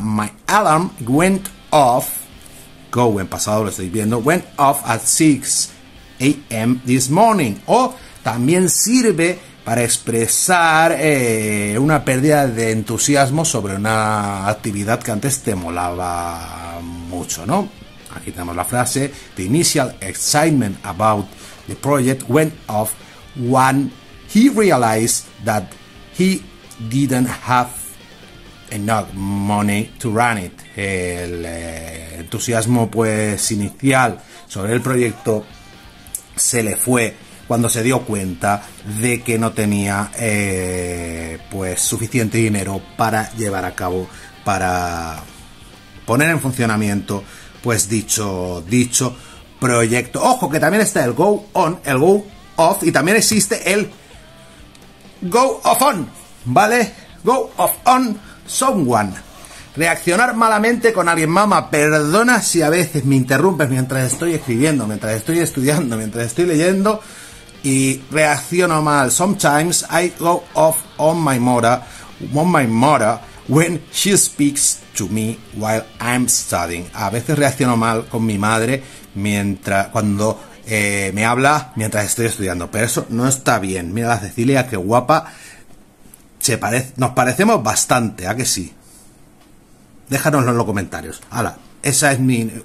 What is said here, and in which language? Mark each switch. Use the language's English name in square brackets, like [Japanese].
[English] My alarm went off. Go, [Spanish] en pasado lo estoy viendo. [English] Went off at 6 a.m. this morning. [Spanish] O también sirve para expresar una pérdida de entusiasmo sobre una actividad que antes te molaba mucho, ¿no? Aquí tenemos la frase, [English] the initial excitement about the project went off when he realized that he didn't have enough money to run it. [Spanish] El entusiasmo, pues, inicial sobre el proyecto se le fue cuando se dio cuenta de que no tenía pues suficiente dinero para llevar a cabo, para poner en funcionamiento pues dicho proyecto. Ojo, que también está el go on, el go off, y también existe el go off on, ¿vale? [English] Go off on someone. [Spanish] Reaccionar malamente con alguien. Mamá, perdona si a veces me interrumpes mientras estoy escribiendo, mientras estoy estudiando, mientras estoy leyendo, y reacciono mal. [English] Sometimes I go off on my mora when she speaks to me while I'm studying. [Spanish] A veces reacciono mal con mi madre cuando me habla mientras estoy estudiando, pero eso no está bien. Mira la Cecilia, qué guapa. Nos parecemos bastante, ¿a que sí? Déjanoslo en los comentarios. Hala, esa es mi...